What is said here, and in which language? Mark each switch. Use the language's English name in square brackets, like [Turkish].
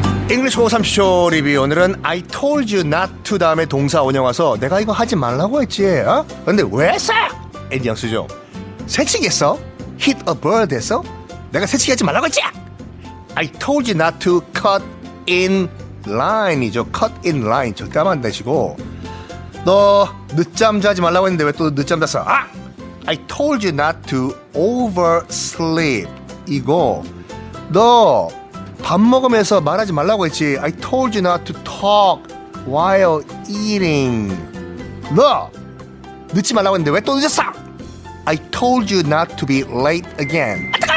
[Korean] 잉글리시 고고 30초 리뷰. 오늘은 [English] I told you not to [Korean] 다음에 동사 원형 와서 내가 이거 하지 말라고 했지. 근데 왜 써? 엔지영수죠. 새치기했어? [English] Hit a bird [Korean] 했어? 내가 새치기 하지 말라고 했지? [English] I told you not to cut in line이죠. Cut in line [Korean] 절대 안 되시고. 너 늦잠 자지 말라고 했는데 왜 또 늦잠 잤어? [English] 아! I told you not to oversleep [Korean] 이거. 너 밥 먹으면서 말하지 말라고 했지. [English] I told you not to talk while eating. [Korean] 너 늦지 말라고 했는데 왜 또 늦었어? [English] I told you not to be late again.